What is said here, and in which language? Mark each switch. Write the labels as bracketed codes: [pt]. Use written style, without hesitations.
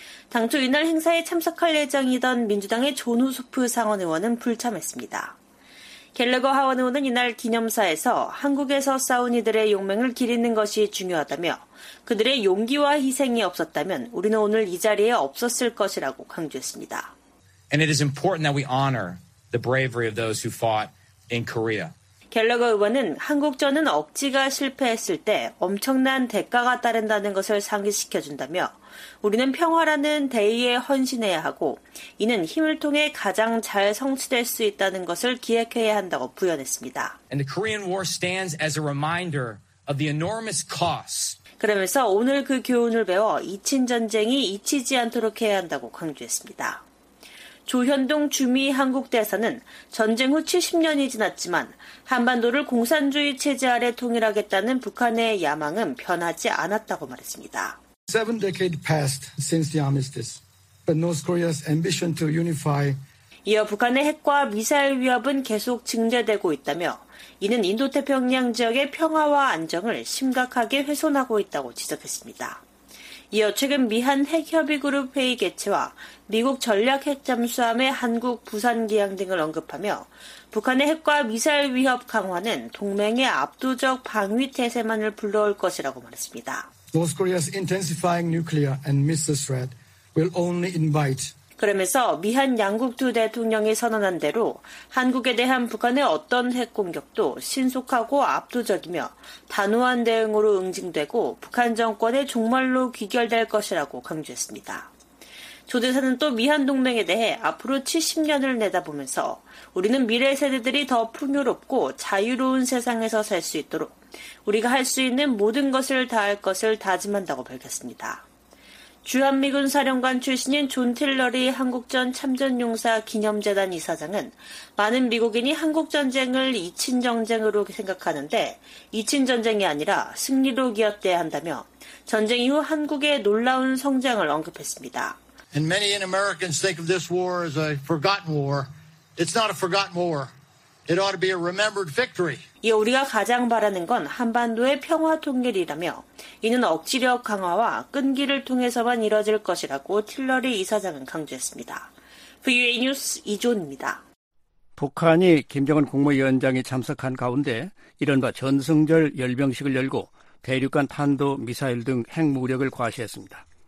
[ko] 당초 이날 행사에 참석할 예정이던 민주당의 존우소프 상원 의원은 불참했습니다. 갤러거 하원 의원은 이날 기념사에서 한국에서 싸운 이들의 용맹을 기리는 것이 중요하다며 그들의 용기와 희생이 없었다면 우리는 오늘 이 자리에 없었을 것이라고 강조했습니다. [en] And it is important that we honor the bravery of those who fought in Korea. [ko] 갤러거 의원은 한국전은 억지가 실패했을 때 엄청난 대가가 따른다는 것을 상기시켜준다며 우리는 평화라는 대의에 헌신해야 하고 이는 힘을 통해 가장 잘 성취될 수 있다는 것을 기획해야 한다고 부연했습니다. [en] And the Korean War stands as a reminder of the enormous cost. [ko] 그러면서 오늘 그 교훈을 배워 이친전쟁이 잊히지 않도록 해야 한다고 강조했습니다. 조현동 주미한국대사는 전쟁 후 70년이 지났지만 한반도를 공산주의 체제 아래 통일하겠다는 북한의 야망은 변하지 않았다고 말했습니다. [en] Seven decades passed since the armistice, but North Korea's ambition to unify. [ko] 이어 북한의 핵과 미사일 위협은 계속 증대되고 있다며 이는 인도태평양 지역의 평화와 안정을 심각하게 훼손하고 있다고 지적했습니다. 이어 최근 미한 핵협의그룹 회의 개최와 미국 전략핵잠수함의 한국 부산 기항 등을 언급하며 북한의 핵과 미사일 위협 강화는 동맹의 압도적 방위태세만을 불러올 것이라고 말했습니다. [en] North Korea's intensifying nuclear and missile threat will only invite. [ko] 그러면서 미한 양국 두 대통령이 선언한 대로 한국에 대한 북한의 어떤 핵 공격도 신속하고 압도적이며 단호한 대응으로 응징되고 북한 정권의 종말로 귀결될 것이라고 강조했습니다. 조 대사는 또 미한 동맹에 대해 앞으로 70년을 내다보면서 우리는 미래 세대들이 더 풍요롭고 자유로운 세상에서 살 수 있도록 우리가 할 수 있는 모든 것을 다할 것을 다짐한다고 밝혔습니다. 주한미군 사령관 출신인 존 틸러리 한국전 참전용사 기념재단 이사장은 많은 미국인이 한국전쟁을 이친전쟁으로 생각하는데 이친전쟁이 아니라 승리로 기억돼야 한다며 전쟁 이후 한국의 놀라운 성장을 언급했습니다. [en] And many Americans think of this war as a forgotten war. It's not a forgotten war. It ought to be a remembered victory. [ko] 이어 우리가 가장 바라는 건 한반도의 평화 통일이라며 이는 억지력 강화와 끈기를 통해서만 이뤄질 것이라고 틸러리 이사장은 강조했습니다. VOA 뉴스 이존입니다. 북한이 김정은 국무위원장이 참석한 가운데 이른바 전승절 열병식을 열고 대륙간 탄도 미사일 등 핵무력을 과시했습니다.